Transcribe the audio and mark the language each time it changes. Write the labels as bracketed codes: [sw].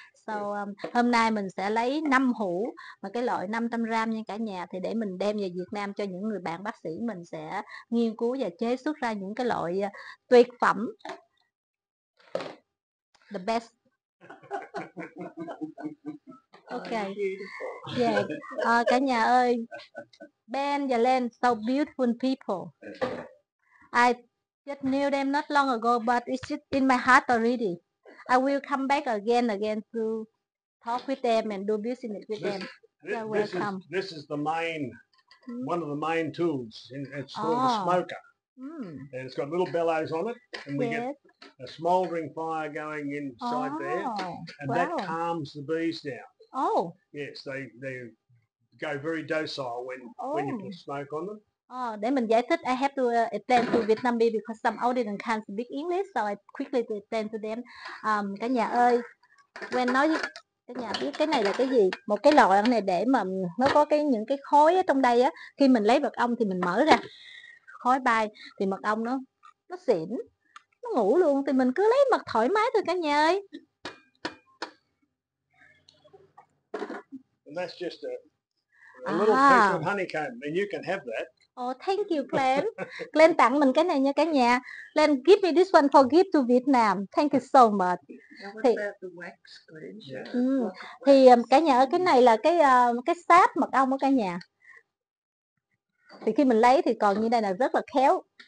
[vi] So hôm nay mình sẽ lấy 5 hũ, mà cái loại 500 gram nha cả nhà, thì để mình đem về Việt Nam cho những người bạn bác sĩ mình sẽ nghiên cứu và chế xuất ra những cái loại tuyệt phẩm. [en] The best. Okay. Yeah. Cả nhà ơi, Ben và Len, so beautiful people. I just knew them not long ago, but it's just in my heart already. I will come back again to talk with them and do business with them. This is the main, one of the main tools. It's called a smoker. Mm. And it's got little bellows on it. And we get a smoldering fire going inside there. And that calms the bees down. Oh. Yes, they go very docile when you put smoke on them. Oh, để mình giải thích, I have to explain to Vietnamese because some audience can't speak English, so I quickly explain to them. [vi] Cả nhà ơi, when nói cả nhà biết cái này là cái gì? Một cái loại này để mà nó có cái những cái khói ở trong đây á. Khi mình lấy mật ong thì mình mở ra, khói bay thì mật ong nó xỉn, nó ngủ luôn. Thì mình cứ lấy mật thoải mái thôi cả nhà ơi. [en] And that's just a little piece of honeycomb, and you can have that. Oh, thank you, Glenn. [vi] Glenn tặng mình cái này nha cả nhà. [en] Glenn, give me this one for gift to Vietnam. Thank you so much. Thì, about the wax, yeah. [vi] Thì cả nhà ơi, cái này là cái sáp mật ong ở cả nhà. Thì khi mình lấy thì còn như đây là rất là khéo.